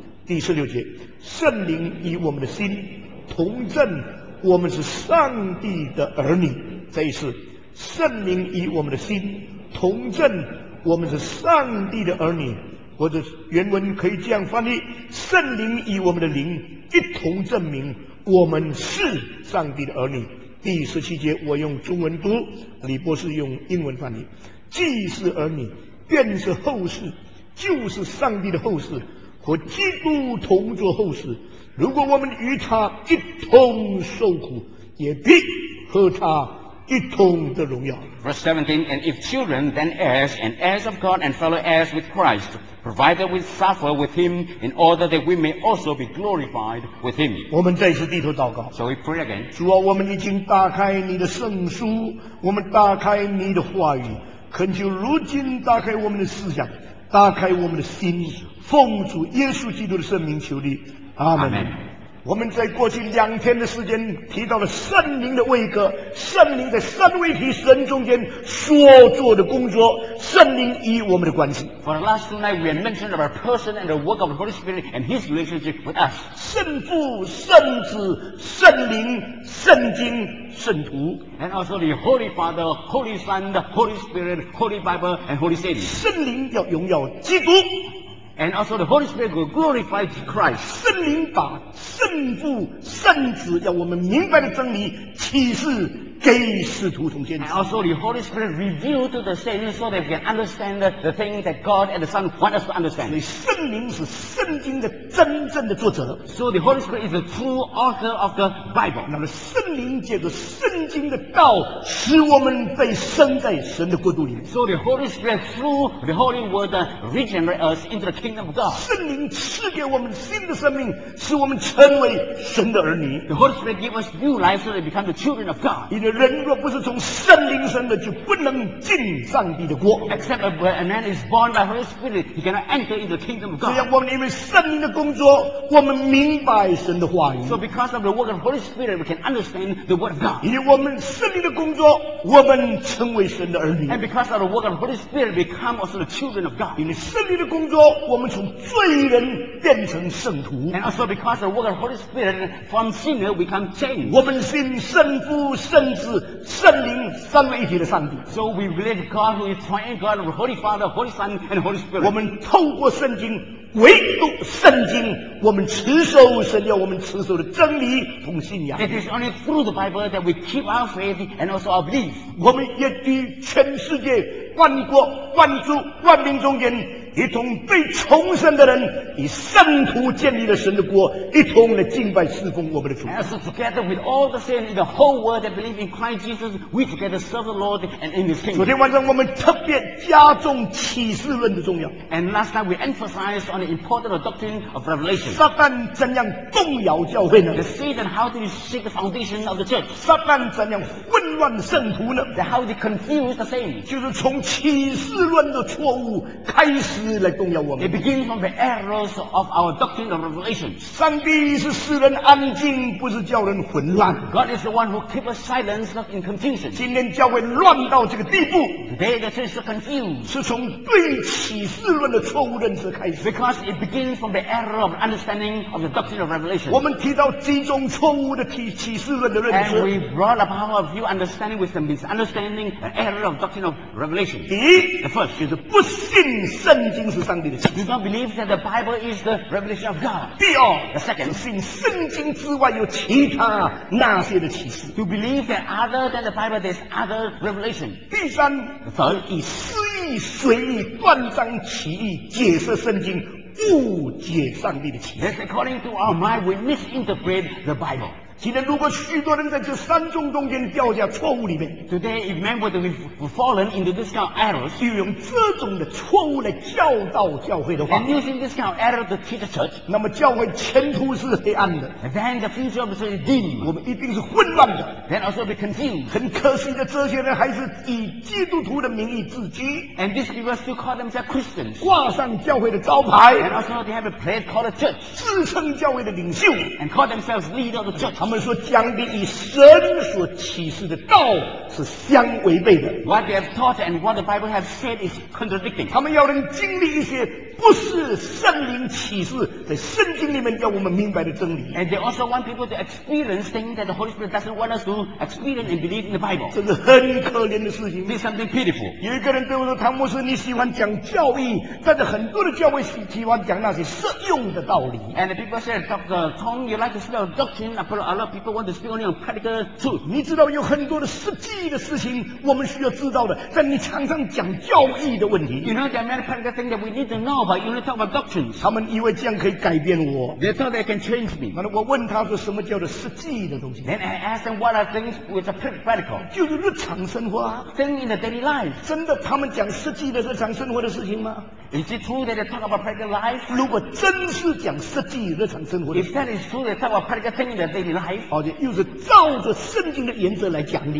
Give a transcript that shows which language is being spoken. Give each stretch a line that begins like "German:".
Chinese: 第十六节圣灵与我们的心同证我们是上帝的儿女这一次圣灵与我们的心同证我们是上帝的儿女或者原文可以这样翻译圣灵与我们的灵一同证明我们是上帝的儿女第十七节我用中文读李博士用英文翻译既是儿女便是后世就是上帝的后世和基督同作后世如果我们与他一同受苦也必和他一同的荣耀。
English: Verse 17, and if children, then heirs, and heirs of God, and fellow heirs with Christ, provided we suffer with him, in order that we may also be glorified with him.
Chinese: 我们再次低头祷告。
English: So we pray again.
Chinese: 主啊，我们已经打开你的圣书，我们打开你的话语，恳求如今打开我们的思想，打开我们的心，奉主耶稣基督的圣名求你。阿门。我们在过去两天的时间提到了圣灵的位格，圣灵在三位一体神中间所做的工作，圣灵与我们的关系。
English: For the last night, we have mentioned about person and the work of the Holy Spirit and His relationship with us.
Chinese: 圣父、圣子、圣灵、圣经、圣徒。
English: And also the Holy Father, Holy Son, the Holy Spirit, Holy Bible, and Holy Saint.
Chinese: 圣灵要荣耀基督。
English: And also the Holy Spirit will glorify Christ.
Chinese: 圣灵把圣父、圣子要我们明白的真理启示给使徒同先知。
English: And also the Holy Spirit revealed to the saints so that we can understand the things that God and the Son want us to understand.
Chinese: 所以圣灵是圣经的真正的作者。
English: So the Holy Spirit is the true author of the Bible.
Chinese: 那么圣灵借着圣经的道，使我们被生在神的国度里。
English: So the Holy Spirit through the Holy Word regenerate us into the kingdom of God.
Chinese: 圣灵赐给我们新的生命，使我们成为神的儿女。
English: The Holy Spirit gives us new life so that we become the children of God.
Chinese: 人若不是从圣灵生的，就不能进上帝的国。
English: Except a man is born by Holy Spirit, he cannot enter into the kingdom of God.
Chinese: 所以我们因为圣灵的工作，我们明白神的话语。
English: So because of the work of Holy Spirit, we can understand the word of God.
Chinese: 因为我们圣灵的工作，我们成为神的儿女。
English: And because of the work of Holy Spirit, we become also the children of God.
Chinese: 因为圣灵的工作，我们从罪人变成圣徒。
English: And also because of the work of Holy Spirit, from sinner we become saints.
Chinese: 我们信圣父、圣子、圣灵三位一体的上帝。
English: So we believe God who is triune God, Holy Father, Holy Son, and Holy Spirit.
Chinese: 我们透过圣经，唯独圣经，我们持守神要我们持守的真理同信仰。
English: It is only through the Bible that we keep our faith and also our belief.
Chinese: 我们也与全世界万国、万族、万民中间。一同被重生的人，以圣徒建立了神的国，一同来敬拜侍奉我们的主。
English: As together with all the saints in the whole world that believe in Christ Jesus, we together serve the Lord and in His kingdom.
Chinese: 昨天晚上我们特别加重启示论的重要。
English: And last night we emphasized on the importance of doctrine of revelation.
Chinese: 撒旦怎样动摇教会呢
English: ？The Satan how did he shake the foundation of the church?
Chinese: 撒旦怎样混乱圣徒呢
English: ？The how did he confuse the saints?
Chinese: 就是从启示论的错误开始。
English: It begins from the errors of our doctrine of revelation.
Chinese: 上帝是使人安静，不是叫人混乱。
English: God is the one who keeps us silent, not in confusion.
Chinese: 今天教会乱到这个地步
English: ，Today the church is confused.
Chinese: 是从对启示论的错误认识开始。
English: Because it begins from the error of understanding of the doctrine of revelation.
Chinese: 我们提到几种错误的启示论的认识。
English: And we brought up our view understanding with the misunderstanding, the error of doctrine of revelation.
Chinese: 第一
English: ，The first is
Chinese: 不信圣。圣经是上帝的启示。
English: You don't believe that the Bible is the revelation of God.
Chinese: 第二
English: ，The second,
Chinese: 是信圣经之外有其他那些的启示。
English: To believe that other than the Bible there's other revelation.
Chinese: 第三
English: ，The third,
Chinese: 以私意、随意、断章取义解释圣经，误解上帝的启示。
English: That's according to our mind, we misinterpret the Bible.
Chinese: 今天如果许多人在这三种中间掉下错误里面
English: Today, if members have fallen into this kind of errors
Chinese: 又用这种的错误来教导教会的话
English: And using this kind of error to teach the church
Chinese: 那么教会前途是黑暗的
English: Then the future of the church is dim
Chinese: 我们一定是混乱的
English: Then also be confused
Chinese: 很可惜的这些人还是以基督徒的名义自居
English: And these people still call themselves Christians
Chinese: 挂上教会的招牌
English: And also they have a place called a church
Chinese: 自称教会的领袖
English: And call themselves leader of the church
Chinese: 他们说讲的与神所启示的道是相违背的。
English: What they have taught and what the Bible has said is contradicting.
Chinese: 他们要人经历一些不是圣灵启示在圣经里面要我们明白的真理。
English: And they also want people to experience things that the Holy Spirit doesn't want us to experience and believe in the Bible.
Chinese: 这是很可怜的事情。
English: This is something pitiful.
Chinese: 有一个人对我说：“汤姆斯，你喜欢讲教义，但是很多的教会喜欢讲那些实用的道理。
English: ”And the people said, Dr. Tong, you like to speak doctrine, but lot of people want to speak only on practical truth.
Chinese: 你知道有很多的实际的事情我们需要知道的，但你常常讲教义的问题。
English: You know, there are many practical things that we need to know, but you only talk about doctrines.
Chinese: 他们以为这样可以改变我。
English: They thought they can change me.
Chinese: 我问他说什么叫做实际的东西。
English: Then I asked them what are things which are practical.
Chinese: 就是日常生活啊。
English: Things in the daily life.
Chinese: 真的他们讲实际的日常生活的事情吗？
English: Is it true that they talk about practical life?
Chinese: 如果真是讲实际日常生活的事情
English: ，If that is true, they talk about practical things in their daily life.
Chinese: 而且又是照着圣经的原则来讲理